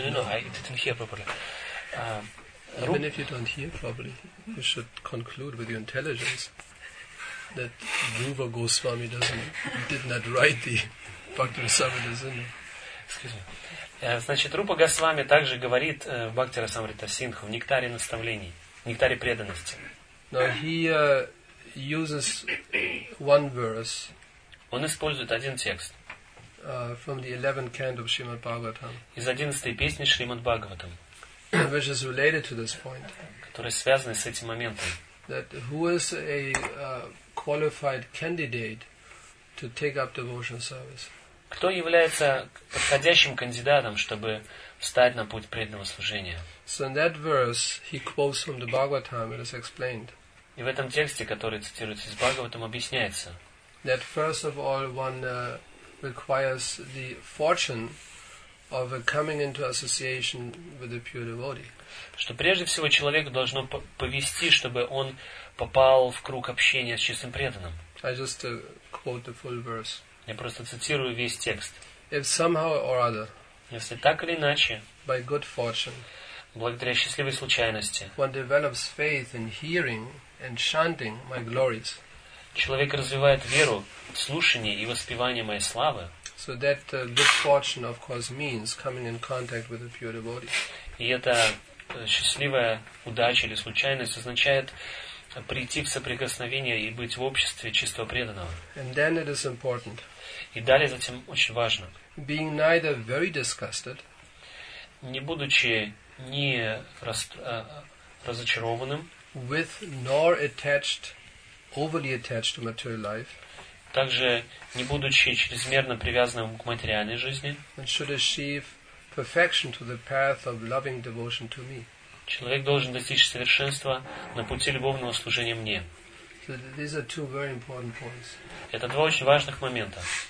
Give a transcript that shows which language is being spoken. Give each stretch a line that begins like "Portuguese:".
English: Even if you don't hear properly, you should conclude with your intelligence that Dhruva Goswami did not write the Bhaktirasamrita Sindhu. Excuse me.
Russian: Значит, Рупа Госвами также говорит в Бхактирасамрита Синху, в Нектаре наставлений, в Нектаре преданности.
English: Now he uses one verse.
Russian: Он использует один текст.
English: From the 11th canto of Srimad Bhagavatam.
Russian: Из 11-й песни Шримад Бхагаватам.
English: Which is related to this point.
Russian: Которые связаны с этим моментом.
English: That who is a qualified candidate to take up devotional service?
Russian: Кто является подходящим кандидатом, чтобы встать на путь преданного служения?
English: So in that verse, he quotes from the Bhagavatam. It is explained.
Russian: И в этом тексте, который цитируется из Бхагаватам, объясняется.
English: That first of all, one requires the fortune. Of coming into association with a pure devotee.
Russian: Что прежде всего человеку должно повести, чтобы он попал в круг общения с чистым преданным.
English: I just quote the full verse.
Russian: Я просто цитирую весь текст.
English: If somehow or other.
Russian: Если так или иначе.
English: By good fortune.
Russian: Благодаря счастливой случайности.
English: One develops faith in hearing and chanting my glories.
Russian: Человек развивает веру в слушание и воспевание моей славы.
English: So that good fortune, of course, means coming in contact with a pure devotee.
Russian: И это счастливая удача или случайность означает прийти в соприкосновение и быть в обществе чистого преданного.
English: And then it is important.
Russian: И далее затем очень важно.
English: Being neither very disgusted.
Russian: Не будучи ни разочарованным.
English: With nor attached, overly attached to material life.
Russian: Также, не будучи чрезмерно привязанным к материальной жизни, человек должен достичь совершенства на пути любовного служения мне. Это два очень важных момента.